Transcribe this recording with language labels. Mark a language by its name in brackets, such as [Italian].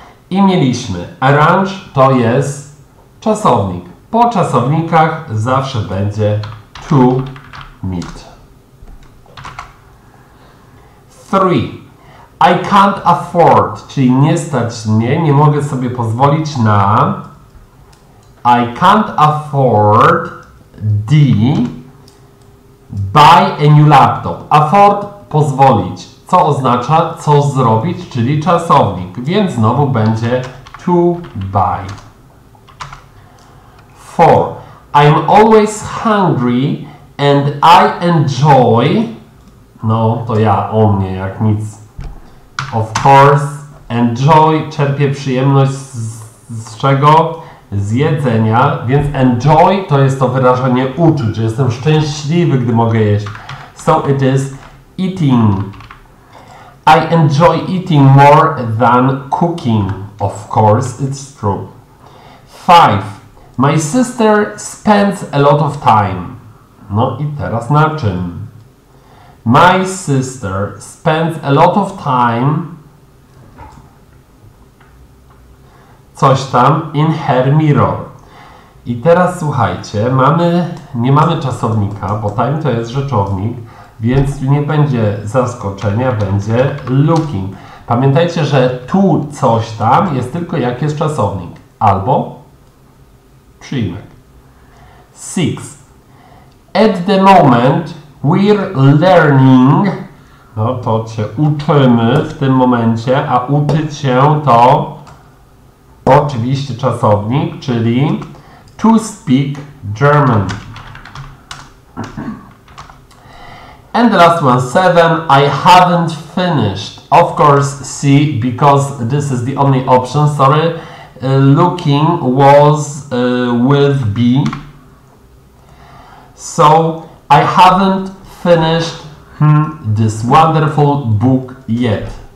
[Polish] I mieliśmy arrange, to jest czasownik. Po czasownikach zawsze będzie to meet. 3. [English] I can't afford, [Polish] czyli nie stać mnie, nie mogę sobie pozwolić na... [English] I can't afford D buy a new laptop. [Polish] Afford pozwolić, co oznacza co zrobić, czyli czasownik. Więc znowu będzie to buy. 4. [English] I'm always hungry and I enjoy. [Polish] No to ja o mnie jak nic. [English] Of course, enjoy, [Polish] czerpię przyjemność z czego? Z jedzenia, więc enjoy to jest to wyrażenie uczuć, że jestem szczęśliwy, gdy mogę jeść. [English] So it is eating. I enjoy eating more than cooking. Of course, it's true. 5. My sister spends a lot of time. [Polish] No i teraz na czym? [English] My sister spends a lot of time. [Polish] Coś tam [English] in her mirror. [Polish] I teraz słuchajcie, nie mamy czasownika, bo time to jest rzeczownik, więc nie będzie zaskoczenia, będzie looking. Pamiętajcie, że tu coś tam jest tylko jak jest czasownik albo przyjmek. [English] Six. At the moment we're learning. [Polish] No to cię uczymy w tym momencie, a uczyć się to oczywiście czasownik, czyli [English] to speak German. And the last one, seven, I haven't finished. Of course, C, because this is the only option, sorry. Looking was with B. So, I haven't finished this wonderful book yet.